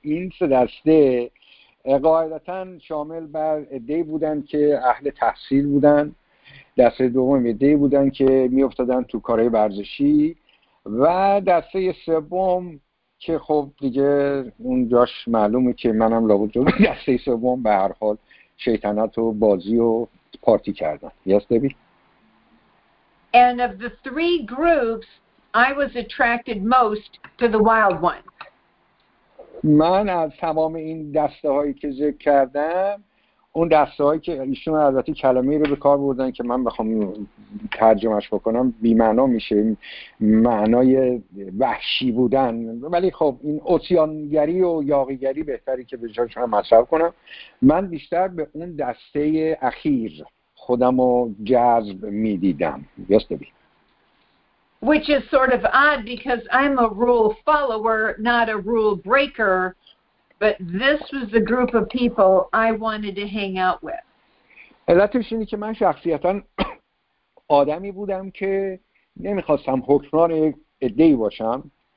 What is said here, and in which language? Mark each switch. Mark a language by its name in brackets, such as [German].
[Persian] این سه دسته قاعدتا شامل بر عده‌ای بودند که اهل تحصیل بودند، دسته دوم عده‌ای بودند که میافتادند تو کارهای ورزشی، و دسته سوم که خب دیگه اونجاش معلومه که منم لابد جزو دسته سوم به هر حال شیطنت و بازی و پارتی کردن. [English] Yes, Debbie. And of the three groups, I was attracted most to the wild ones. [Persian] من از تمام این دسته هایی که ذکر کردم اون دسته‌هایی که ایشون البته کلمه‌ای رو به کار بردن که من بخوام ترجمهش بکنم بی‌معنا میشه، معنای وحشی بودن، ولی خب این اوسیانگری و یاغیگری بهتری که به جاش هم مصرف کنم. من بیشتر به اون دسته اخیر خودمو جذب می‌دیدم. [English] Which is sort of odd because I'm a rule follower, not a rule breaker, but this was the group of people I wanted to hang out with. [Persian] علتش اینه که من شخصیتا آدمی بودم که نمیخواستم حکمران یک عده‌ای باشم.